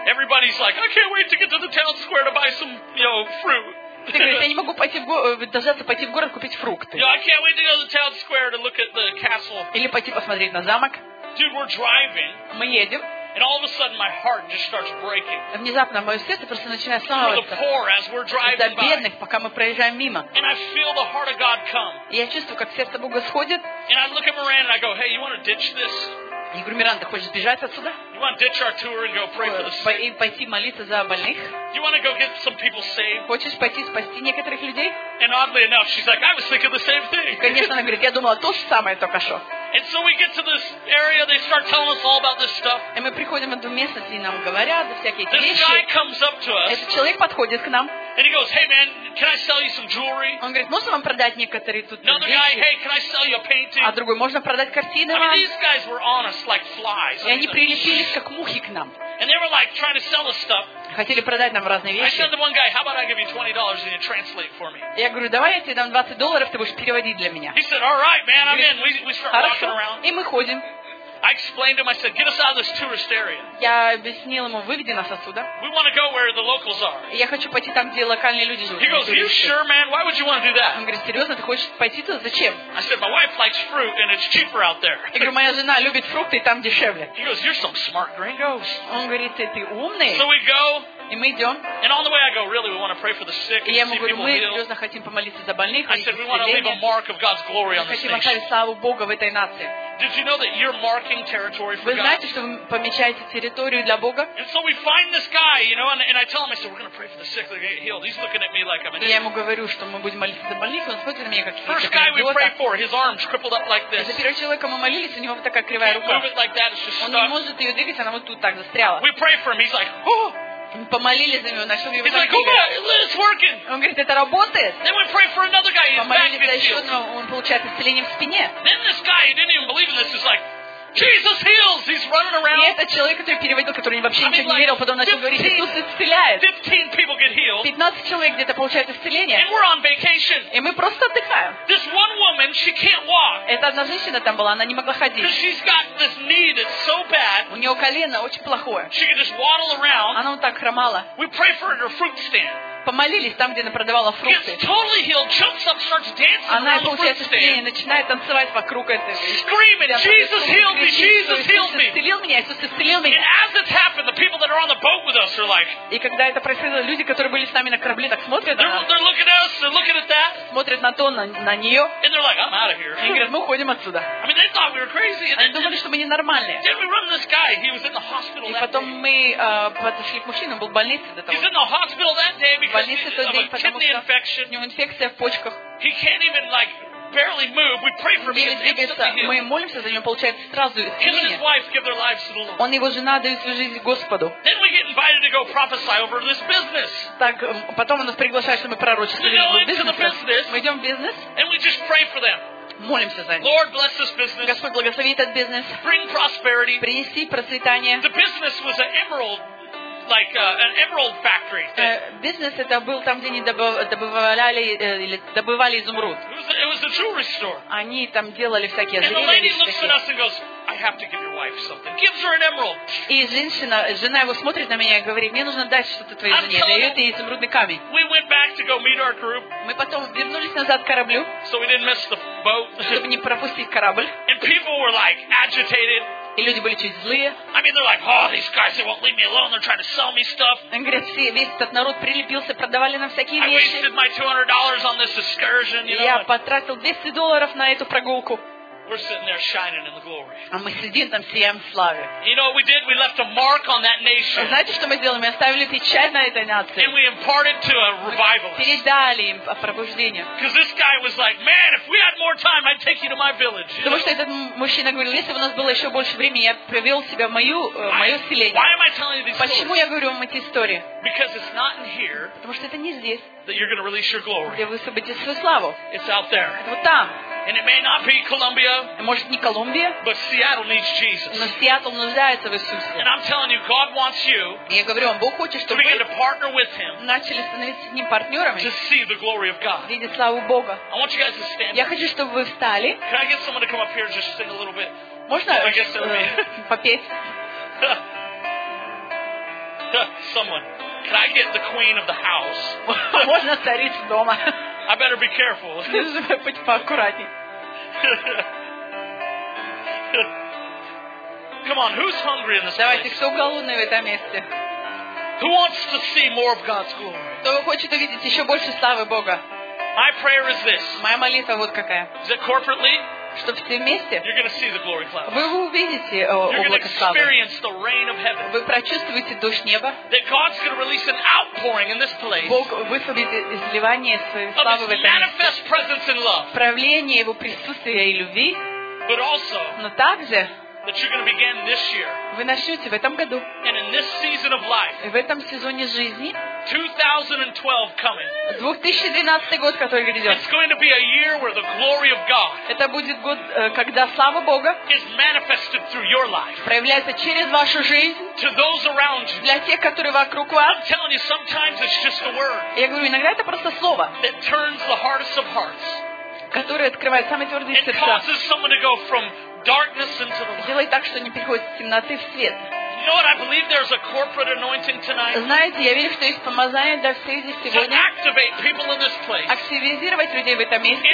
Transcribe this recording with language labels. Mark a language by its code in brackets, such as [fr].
[en] Everybody's like, I can't wait to get to the town square to buy some, you know, fruit. [ru] Ты говоришь, я не могу пойти в город купить фрукты. [en] You know, to go to town square to look at the castle. [ru] Или пойти посмотреть на замок. [en] Dude, we're driving. [ru] Мы едем. [en] And all of a sudden, my heart just starts breaking. [ru] Внезапно мое сердце просто начинает сломаться. За бедных, пока мы проезжаем мимо. [en] And I feel the heart of God come. [ru] И я чувствую, как сердце Бога сходит. [en] And I look at Miranda and I go, hey, you want to ditch this? [ru] Я говорю, Миранда, хочешь сбежать отсюда? [en] You want to ditch our tour and go pray for the sick? [ru] И пойти молиться за больных? [en] You want to go get some people saved? [ru] Хочешь пойти спасти некоторых людей? [en] And oddly enough, she's like, I was thinking the same thing. [ru] Конечно, она говорит, я думала то же самое только что. [en] And so we get to this area, they start telling us all about this stuff. [ru] И мы приходим в место, и нам говорят всякие [en] this [ru] вещи. [en] This guy comes up to us. [ru] Этот человек подходит к нам. [en] And he goes, hey man, can I sell you some jewelry? [ru] Он говорит, можно вам продать некоторые тут [en] Another [ru] вещи? [en] Another guy, hey, can I sell you a painting? [ru] А другой, можно продать картины вам? [en] I mean, these guys were on us like flies. [ru] И они прилепились как мухи к нам. [en] And they were like trying to sell us stuff. [ru] Хотели продать нам разные вещи. [en] I said to one guy, how about I give you $20 and you translate for me? [ru] Я говорю, давай я тебе дам $20, ты будешь переводить для меня. [en] He said, all right, man, I'm in. We start [ru] Хорошо. [en] Walking around. [ru] И мы ходим. [en] I explained to him, I said, get us out of this tourist area. [ru] Я объяснил ему, выведи нас отсюда. [en] We want to go where the locals are. [ru] Я хочу пойти там, где локальные люди живут. [en] He goes, are you sure, man? Why would you want to do that? [ru] Он говорит, серьезно, ты хочешь пойти туда? Зачем? [en] I said, my wife likes fruit and it's cheaper out there. [ru] Я говорю, моя жена любит фрукты, там дешевле. [en] He goes, you're some smart gringos. [ru] Он говорит, ты умный. [en] So we go. [ru] И мы идем. [en] And on the way I go, really, we want to pray for the sick. [ru] И я ему говорю, мы серьезно хотим помолиться за больных. [en] I said, we want to leave a mark of God's glory on this nation. [ru] Мы хотим оставить славу Бога в этой нации. [en] Did you know that you're marking territory for God? [ru] Вы знаете, что вы помечаете территорию для Бога? [en] And so we find this guy, you know, and I tell him, I said, we're going to pray for the sick to get healed. He's looking at me like I'm an idiot. [ru] Я ему говорю, что мы будем молиться за больных, он смотрит на меня как. [en] First guy we pray for, his arms crippled up like this. [ru] За первого человека мы молились, у него вот такая кривая рука. [en] Move it like that, it's just stuck. [ru] Он не может ее двигать, она вот тут так застряла. [en] We pray for him, he's like, oh. [ru] Мы помолились за него, начали его [en] like, it's working. [ru] Он говорит, это работает. [en] Then we pray for another guy, he's back in the field. [ru] Он получает исцеление в спине. [en] Then this guy, he didn't even believe in this, is like, Jesus heals. He's running around. [ru] И этот человек, который переводил, который вообще ничего не верил, потом начал говорить, Иисус исцеляет. [en] 15 people get healed. [ru] 15 человек где-то получают исцеление. [en] And we're on vacation. [ru] И мы просто отдыхаем. [en] This one woman, she can't walk. [ru] Эта одна женщина там была, она не могла ходить. [en] Because she's got this knee that's so bad. [ru] У нее колено очень плохое. [en] She can just waddle around. [ru] Она вот так хромала. [en] We pray for her fruit stand. [ru] Помолились там, где она продавала фрукты. [en] Totally healed, jumps up, starts dancing. [ru] Она получает исцеление, начинает танцевать вокруг этой. [en] Screaming, Jesus healed me, Jesus healed me. [ru] Иисус исцелил меня, Иисус исцелил меня. [en] And as it's happened, the people that are on the boat with us are like. [ru] И когда это происходило, люди, которые были с нами на корабле, так смотрят. [en] They're looking at us, they're looking at that. [ru] Смотрят на то, на нее. [en] And they're like, I'm out of here. [ru] И говорят, мы уходим отсюда. [en] I mean, they thought we were crazy. [ru] Они думали, что мы ненормальные. [en] Then we run this guy. He was in the hospital. [ru] И потом мы подошли к мужчине, он был в больнице до того. [en] He's in the hospital that day because. [ru] В больнице тот день, потому что у него инфекция в почках. [en] He can't even, like, barely move. We pray for him. [ru] Мы молимся за него, получает сразу исцеление. Он и его жена дают свою жизнь Господу. [en] Then we get invited to go prophesy over this business. [ru] Так, потом он нас приглашает, чтобы мы пророчествовали в бизнесе. Мы идем в бизнес. [en] And we just pray for them. [ru] Молимся за них. [en] Lord bless this business. [ru] Господь благослови этот бизнес. [en] Bring prosperity. [ru] Принеси процветание. [en] The business was an emerald. Like an emerald factory. [ru] Business это был там, где они добывали или добывали изумруд. [en] It was a jewelry store. [ru] Они там делали всякие ожерелья. [en] And the lady looks at us and goes, I have to give your wife something. Gives her an emerald. [ru] И женщина, жена его смотрит на меня и говорит, мне нужно дать что-то твоей жене. Дает ей изумрудный камень. [en] We went back to go meet our group. [ru] Мы потом вернулись назад к кораблю. [en] So we didn't miss the boat. [ru] Чтобы не пропустить корабль. [en] And people were like agitated. [ru] И люди были чуть злые. [en] I mean, they're like, oh, these guys, they won't leave me alone. They're trying to sell me stuff. [ru] Весь этот народ прилепился, продавали нам всякие вещи. [en] I wasted my $200 on this excursion. [ru] Я потратил $200 на эту прогулку. [en] We're sitting there shining in the glory. [ru] А мы сидим там, сияем в славе. [en] You know what we did? We left a mark on that nation. [ru] Знаете, что мы сделали? Мы оставили печать на этой нации. [en] And we imparted to a revivalist. [ru] Передали им о пробуждении. [en] Because this guy was like, man, if we had more time, I'd take you to my village. [ru] Потому что этот мужчина говорил, если бы у нас было еще больше времени, я привел тебя в мое селение. [en] Why am I telling you these stories? [ru] Почему я говорю вам эти истории? [en] Because it's not in here. [ru] Потому что это не здесь. [en] That you're going to release your glory. [ru] Где вы высвободите свою славу? [en] It's out there. [ru] Это вот там. [en] And it may not be Colombia. [ru] Может, не Колумбия. [en] But Seattle needs Jesus. [ru] Но Сиэтл нуждается в Иисусе. [en] And I'm telling you, God wants you. [ru] Я говорю вам, Бог хочет, чтобы вы [en] to partner with him. [ru] Начали становиться с ним партнерами. [en] To see the glory of God. [ru] Видеть славу Бога. [en] I want you guys to stand. [ru] Я хочу, чтобы вы встали. [en] Can I get someone to come up here and just sing a little bit? [ru] Можно? [en] I guess it'll be. [ru] Попеть. [en] Someone. Can I get the queen of the house? [ru] Можно царицу дома. [en] I better be careful. [ru] Будь поаккуратней. [en] Come on, who's hungry in this [ru] Давайте, [en] place? [ru] Давайте, кто голодный в этом месте? [en] Who wants to see more of God's glory? [ru] Кто хочет увидеть еще больше славы Бога? [en] My prayer is this. [ru] Моя молитва вот какая. [en] Is it corporately? [ru] Чтобы все вместе. [en] You're going to see the glory cloud. [ru] Вы увидите облако славы. [en] Experience the rain of heaven. [ru] Вы прочувствуете дождь неба. [en] That God's going to release an outpouring in this place. [ru] Бог высвободит изливание своей славы в этом месте. [en] Manifest presence and love. [ru] Проявление его присутствия и любви. [en] But also. [ru] Но также. [en] That you're going to begin this year. [ru] Вы начнете в этом году. [en] And in this season of life. [ru] И в этом сезоне жизни. [en] 2012 coming. [ru] 2012 год, который грядет. [en] It's going to be a year where the glory of God. [ru] Это будет год, когда слава Бога. [en] Is manifested through your life. [ru] Проявляется через вашу жизнь. [en] To those around you. [ru] Для тех, которые вокруг вас. [en] I'm telling you, sometimes it's just a word. [ru] Я говорю, иногда это просто слово. [en] That turns the hardest of hearts. [ru] Которое открывает самые твердые сердца. [en] It causes someone to go from darkness into the light. [ru] Делай так, что не переходит с темноты в свет. [en] You know what? I believe there's a corporate anointing tonight. [ru] Знаете, я верю, что есть помазание для всех здесь сегодня. [en] To activate people in this place. [ru] Активизировать людей в этом месте.